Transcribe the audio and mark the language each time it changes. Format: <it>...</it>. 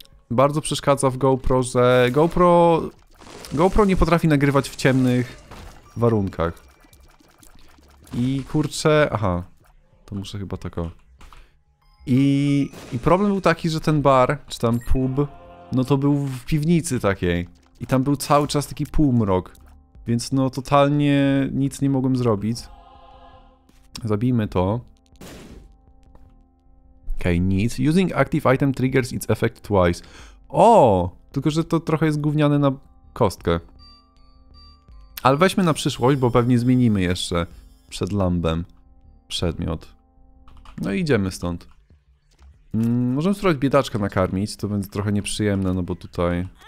<pl>Bardzo przeszkadza w GoPro, że GoPro nie potrafi nagrywać w ciemnych warunkach. I kurczę... Aha. To muszę chyba tak o... I problem był taki, że ten bar, czy tam pub... No to był w piwnicy takiej. I tam był cały czas taki półmrok. Więc no totalnie nic nie mogłem zrobić. Zabijmy to. Okej, okay, nic.</pl> <en>Using active item triggers its effect twice.</en> <pl>O! Tylko, że to trochę jest gówniane na kostkę. Ale weźmy na przyszłość, bo pewnie zmienimy jeszcze przed lambem przedmiot. No i idziemy stąd. Możemy spróbować biedaczka nakarmić, to będzie trochę nieprzyjemne, no bo tutaj...</pl>